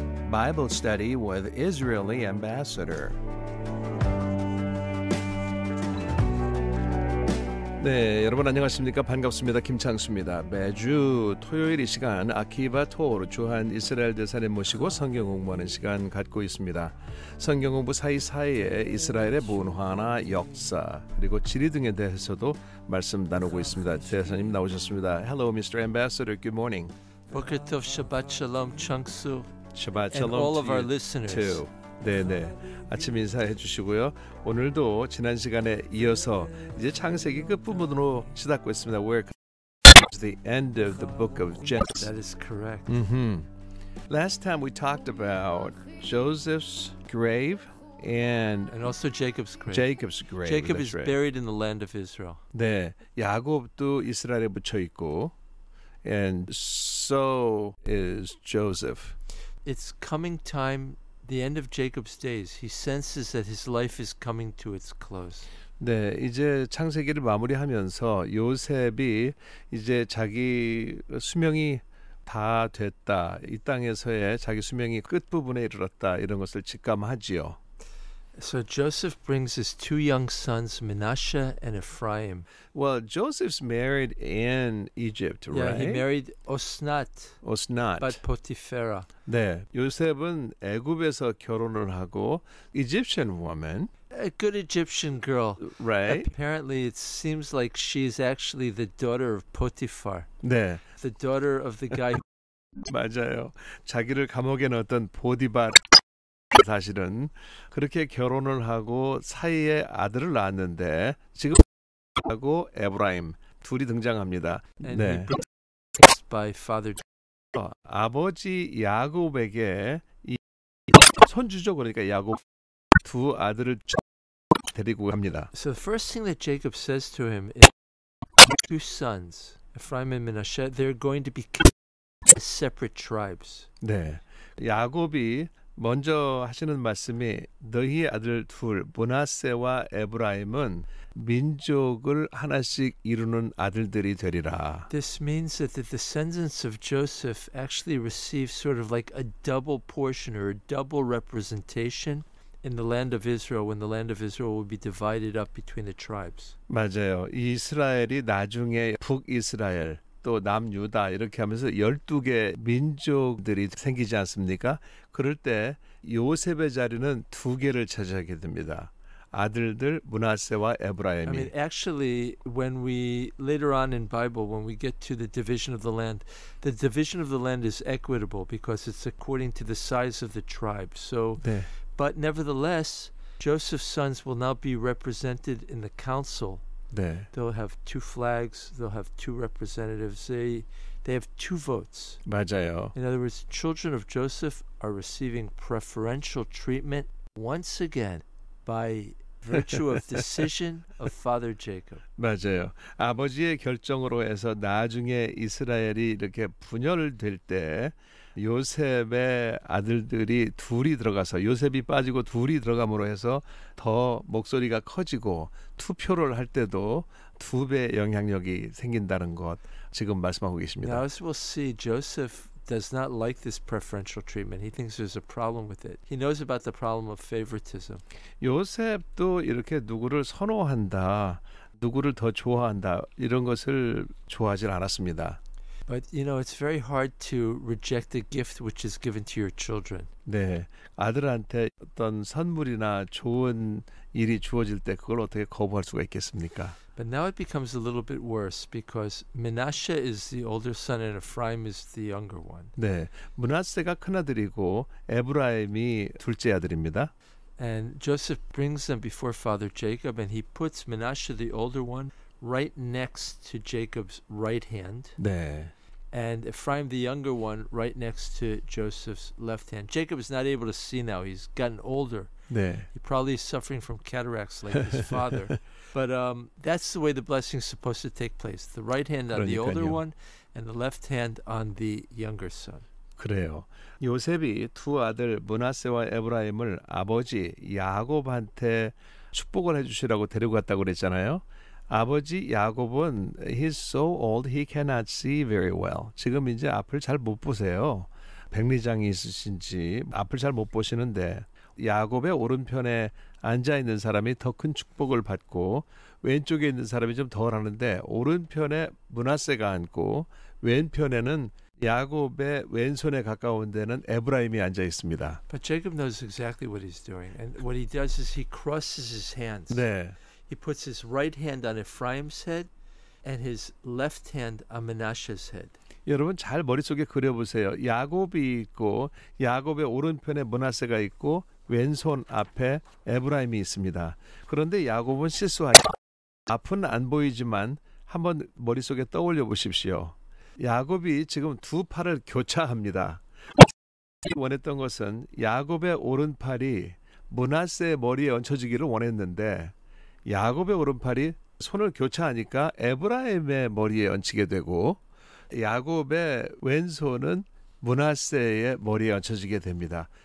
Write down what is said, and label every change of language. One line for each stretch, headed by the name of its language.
English: Bible Study with Israeli Ambassador.
Korean: 네, 여러분 안녕하십니까? 반갑습니다. 김창수입니다. 매주 토요일 이 시간 아키바 토르 주한 이스라엘 대사님 모시고 성경 공부하는 시간 갖고 있습니다. 성경 공부 사이사이에 이스라엘의 문화나 역사 그리고 지리 등에 대해서도 말씀 나누고 있습니다. 대사님 나오셨습니다.
English: Hello, Mr. Ambassador. Good morning.
Hebrew: Boker Tov, Shabbat Shalom, Changsu. Shabbat Shalom
English: to all of our listeners.
Korean: 네네. 아침 인사해 주시고요. 오늘도 지난 시간에 이어서 이제 창세기 끝부분으로 치닫고 있습니다.
English: The end of the book of Genesis. That is correct. Mm-hmm. Last time we talked about Joseph's grave and also Jacob's grave. Jacob's grave. Jacob is buried in the land of Israel.
Korean: 네. 야곱도 이스라엘에 묻혀 있고
English: and so is Joseph. It's coming time. The end of Jacob's days, he senses that his life is coming to its close.
Korean: 네, 이제 창세기를 마무리하면서 요셉이 이제 자기 수명이 다 됐다. 이 땅에서의 자기 수명이 끝부분에 이르렀다. 이런 것을 직감하지요.
English: So Joseph brings his two young sons, Manasseh and Ephraim. Well, Joseph's married in Egypt, right? Yeah, he married Osnat. Osnat. But Potipharah.
Korean: 네, 요셉은 애굽에서 결혼을 하고
English: Egyptian woman. A good Egyptian girl. Right. Apparently, it seems like she's actually the daughter of Potiphar.
Korean: 네.
English: The daughter of the guy.
Korean: 맞아요. 자기를 감옥에 넣었던 보디바. 사실은 그렇게 결혼을 하고 사이에 아들을 낳았는데 지금 하고 에브라임 둘이 등장합니다.
English: 네. By father.
Korean: 아버지 야곱에게 이 손주죠. 그러니까 야곱 두 아들을 데리고 갑니다.
English: So the first thing that Jacob says to him is two sons, Ephraim and Manasseh, they're going to be separate tribes.
Korean: 네. 야곱이 먼저 하시는 말씀이 너희 아들 둘 므낫세와 에브라임은 민족을 하나씩 이루는 아들들이 되리라.
English: This means that the descendants of Joseph actually receive sort of like a double portion or a double representation in the land of Israel when the land of Israel will be divided up between the tribes.
Korean: 맞아요. 이스라엘이 나중에 북이스라엘 또 남유다 이렇게 하면서 12개 민족들이 생기지 않습니까? 그럴 때 요셉의 자리는 두 개를 차지하게 됩니다. 아들들 므낫세와 에브라임이.
English: I mean, actually, when we later on in Bible, when we get to the division of the land is equitable because it's according to the size of the tribe. So,
Korean: 네.
English: But nevertheless, Joseph's sons will now be represented in the council.
Korean: 네.
English: They'll have two flags, they'll have two representatives, they have two votes.
Korean: 맞아요.
English: In other words, children of Joseph are receiving preferential treatment once again by virtue of decision of Father Jacob.
Korean: 맞아요. 아버지의 결정으로 해서 나중에 이스라엘이 이렇게 분열될 때 요셉의 아들들이 둘이 들어가서 요셉이 빠지고 둘이 들어감으로 해서 더 목소리가 커지고 투표를 할 때도 두 배 영향력이 생긴다는 것 지금 말씀하고 계십니다.
English: Now, as we'll see, Joseph does not like this preferential treatment. He thinks there's a problem with it. He knows about the problem of favoritism.
Korean: 요셉도 이렇게 누구를 선호한다, 누구를 더 좋아한다 이런 것을 좋아하지 않았습니다.
English: But you know, it's very hard to reject a gift which is given to your children.
Korean: 네, 아들한테 어떤 선물이나 좋은 일이 주어질 때 그걸 어떻게 거부할 수가 있겠습니까?
English: But now it becomes a little bit worse because Manasseh is the older son and Ephraim is the younger one.
Korean: 네, 므낫세가 큰아들이고 에브라임이 둘째 아들입니다.
English: And Joseph brings them before Father Jacob and he puts Manasseh, the older one, right next to Jacob's right hand.
Korean: 네.
English: And Ephraim, the younger one, right next to Joseph's left hand. Jacob is not able to see now. He's gotten older.
Korean: 네.
English: He probably is suffering from cataracts like his father. But that's the way the blessing is supposed to take place. The right hand on
Korean: 그러니까요.
English: the older one and the left hand on the younger son.
Korean: 그래요. 요셉이 두 아들 므낫세와 에브라임을 아버지 야곱한테 축복을 해주시라고 데리고 갔다고 그랬잖아요. 아버지 야곱은
English: he's so old he cannot see very well.
Korean: 지금 이제 앞을 잘 못 보세요. 백리장이 있으신지 앞을 잘 못 보시는데 야곱의 오른편에 앉아있는 사람이 더 큰 축복을 받고 왼쪽에 있는 사람이 좀 덜 하는데 오른편에 므낫세가 앉고 왼편에는 야곱의 왼손에 가까운 데는 에브라임이 앉아 있습니다.
English: But Jacob knows exactly what he's doing. And what he does is he crosses his hands.
Korean: 네.
English: He puts his right hand on Ephraim's head and his left hand on Manasseh's head.
Korean: 여러분 잘 머릿속에 그려보세요. 야곱이 있고 야곱의 오른편에 므낫세가 있고 왼손 앞에 에브라임이 있습니다. 그런데 야곱은 실수하죠. 앞은 안 보이지만 한번 머릿속에 떠올려 보십시오. 야곱이 지금 두 팔을 교차합니다. 원했던 것은 야곱의 오른팔이 므낫세의 머리에 얹혀지기를 원했는데 야곱의 오른팔이 손을 교차하니까 에브라임의 머리에 얹히게 되고 야곱의 왼손은 므낫세의 머리에 얹혀지게 됩니다.